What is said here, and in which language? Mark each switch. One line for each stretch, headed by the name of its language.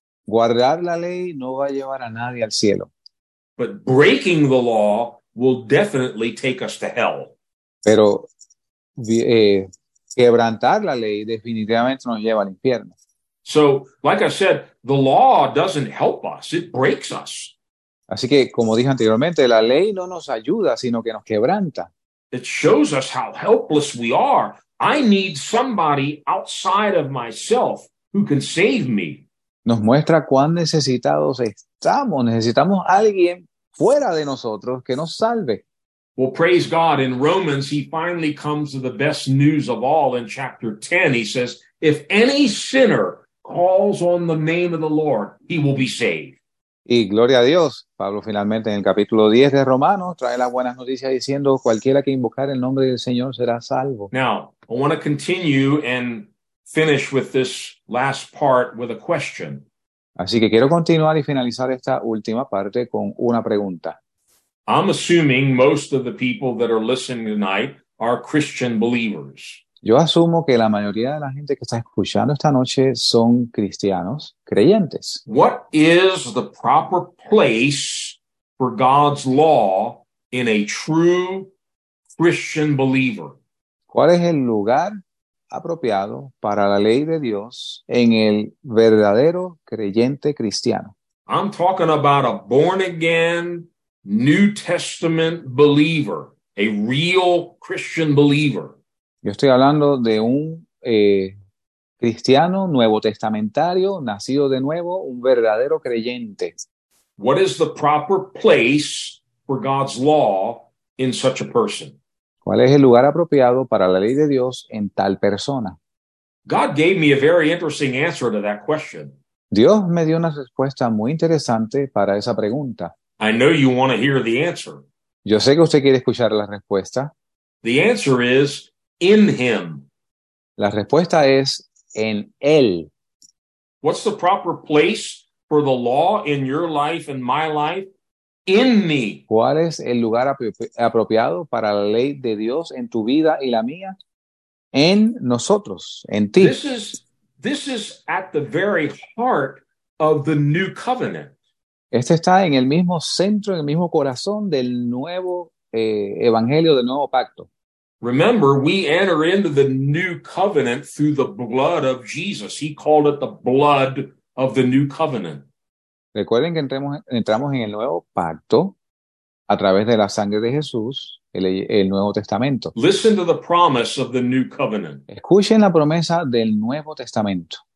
Spanish: Guardar la ley no va a llevar a nadie al cielo.
English: But breaking the law will definitely take us to hell.
Spanish: Pero quebrantar la ley definitivamente nos lleva al infierno.
English: So, like I said, the law doesn't help us. It breaks us.
Spanish: Así que, como dije anteriormente, la ley no nos ayuda, sino que nos quebranta.
English: It shows us how helpless we are. I need somebody outside of myself who can save me.
Spanish: Nos muestra cuán necesitados estamos. Necesitamos alguien fuera de nosotros que nos salve.
English: Well, praise God. In Romans, he finally comes to the best news of all in chapter 10. He says, if any sinner calls on the name of the Lord, he will be saved.
Spanish: Y gloria a Dios. Pablo finalmente en el capítulo 10 de Romanos trae las buenas noticias diciendo, cualquiera que invocar el nombre del Señor será salvo.
English: Now, I want to continue and finish with this last part with a question.
Spanish: Así que quiero continuar y finalizar esta última parte con una pregunta.
English: I'm assuming most of the people that are listening tonight are Christian believers.
Spanish: Yo asumo que la mayoría de la gente que está escuchando esta noche son cristianos creyentes.
English: What is the proper place for God's law in a true Christian believer?
Spanish: ¿Cuál es el lugar apropiado para la ley de Dios en el verdadero creyente cristiano?
English: I'm talking about a born again New Testament believer, a real Christian believer.
Spanish: Yo estoy hablando de un Cristiano, nuevo testamentario, nacido de nuevo, un verdadero creyente.
English: What is the proper place for God's law in such a person?
Spanish: ¿Cuál es el lugar apropiado para la ley de Dios en tal persona?
English: God gave me a very interesting answer to that question.
Spanish: Dios me dio una respuesta muy interesante para esa pregunta.
English: I know you want to hear the answer.
Spanish: Yo sé que usted quiere escuchar la respuesta.
English: The answer is in him.
Spanish: La respuesta es en él.
English: What's the proper place for the law in your life and my life? In me.
Spanish: ¿Cuál es el lugar apropiado para la ley de Dios en tu vida y la mía? En nosotros, en ti.
English: This is at the very heart of the new covenant.
Spanish: Este está en el mismo centro, en el mismo corazón del nuevo evangelio, del nuevo pacto.
English: Remember, we enter into the new covenant through the blood of Jesus. He called it the blood of the new covenant.
Spanish: Recuerden que entramos en el nuevo pacto a través de la sangre de Jesús, el Nuevo Testamento.
English: Listen to the promise of the new covenant.
Spanish: Escuchen la promesa del Nuevo Testamento.